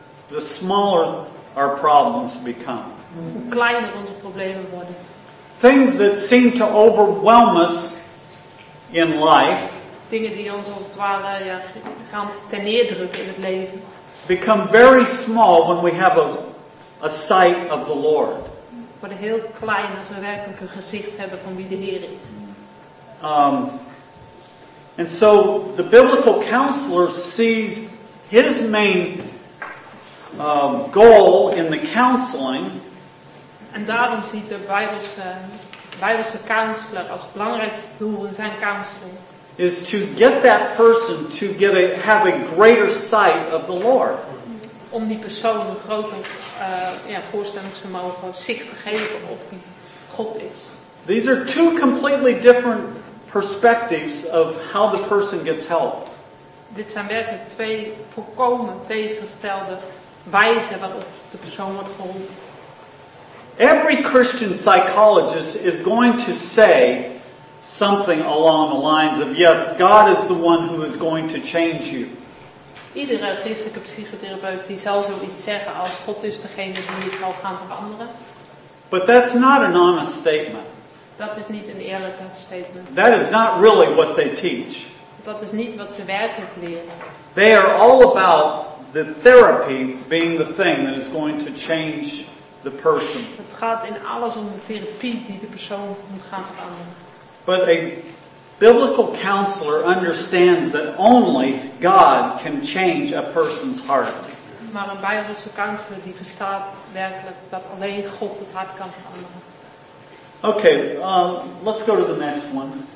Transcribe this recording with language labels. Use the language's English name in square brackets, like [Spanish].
[English] the smaller our problems become. [Dutch] Hoe kleiner onze problemen worden. [English] Things that seem to overwhelm us in life, [Dutch] dingen die ons als het ware gaan ten neerdrukken in het leven, [English] become very small when we have a sight of the Lord. [Dutch] Worden heel klein als we werkelijk een gezicht hebben van wie de Heer is. [English] And so the biblical counselor sees his main goal in the counseling. [Dutch] En daarom ziet de Bijbelse counselor als belangrijkste doel in zijn counseling. [English] Is to get that person to get have a greater sight of the Lord. [Dutch] Om die persoon een groter voorstellingsvermogen, zicht te geven op wie God is. [English] These are two completely different perspectives of how the person gets helped. [Dutch] Dit zijn werkelijk twee volkomen tegengestelde wijzen waarop de persoon wordt geholpen. [English] Every Christian psychologist is going to say something along the lines of, yes, God is the one who is going to change you. [Dutch] Iedere christelijke psychotherapeut die zal zoiets zeggen als God is degene die je zal gaan veranderen. [English] But that's not an honest statement. [Dutch] Dat is niet een eerlijke statement. [English] That is not really what they teach. [Dutch] Dat is niet wat ze werkelijk leren. [English] They are all about the therapy being the thing that is going to change the person. [Dutch] Het gaat in alles om de therapie die de persoon moet gaan veranderen. [English] But a biblical counselor understands that only God can change a person's heart. [Dutch] Maar een Bijbelse counselor die verstaat werkelijk dat alleen God het hart kan veranderen. [English] Okay, let's go to the next one.